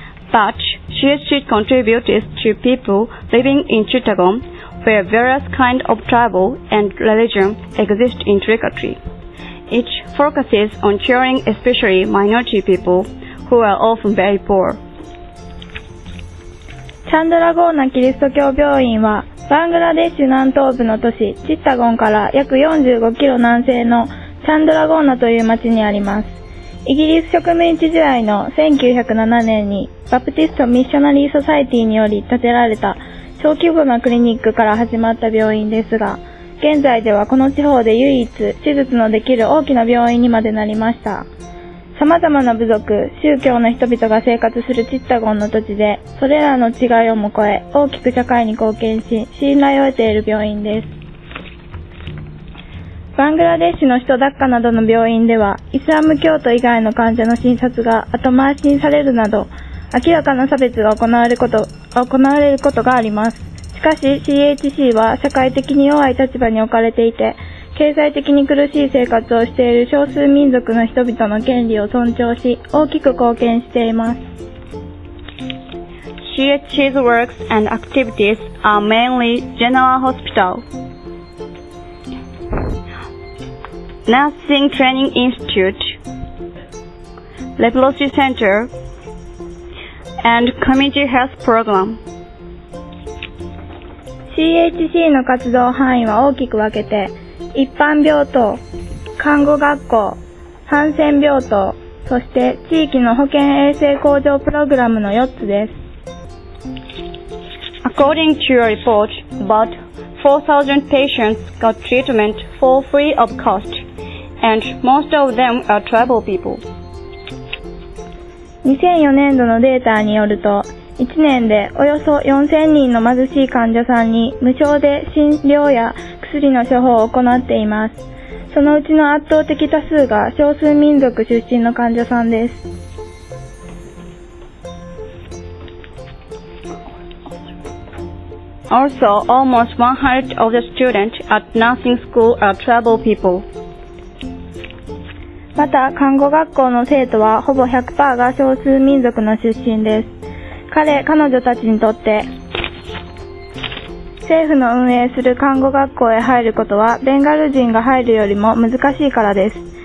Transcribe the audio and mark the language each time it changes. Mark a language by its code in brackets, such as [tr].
[en] But CHC contributes to people living in Chittagong, where various kinds of tribal and religion exist intricately. It focuses on caring especially minority people who are often very poor. [ja] チャンドラゴーナキリスト教病院はバングラデシュ南東部の都市チッタゴンから約45キロ南西のチャンドラゴーナという町にあります。イギリス植民地時代の1907年にバプティストミッショナリーソサイティにより建てられた小規模なクリニックから始まった病院ですが、現在ではこの地方で唯一手術のできる大きな病院にまでなりました。様々な部族、宗教の人々が生活するチッタゴンの土地で、それらの違いをも超え、大きく社会に貢献し、信頼を得ている病院です。バングラデシュの首都ダッカなどの病院では、イスラム教徒以外の患者の診察が後回しにされるなど、明らかな差別が行われることがあります。しかし、CHC は社会的に弱い立場に置かれていて、経済的に苦しい生活をしている少数民族の人々の権利を尊重し、大きく貢献しています。 [en] CHC's works and activities are mainly general hospital, nursing training institute, leprosy center, and community health program. [ja] CHC の活動範囲は大きく分けて、一般病棟、看護学校、ハンセン病棟、そして地域の保健衛生向上プログラムの4つです。 [en] According to a report, about 4,000 patients got treatment for free of cost, and most of them are tribal people. [ja] 2004年度のデータによると、1年でおよそ4000人の貧しい患者さんに無償で診療や薬の処方を行っています。そのうちの圧倒的多数が少数民族出身の患者さんです。 [en] Also, almost 100 of the students at nursing school are tribal people. [ja] また、看護学校の生徒はほぼ 100% が少数民族の出身です。彼女たちにとって政府の運営する看護学校へ入ることはベンガル人が入るよりも難しいからです。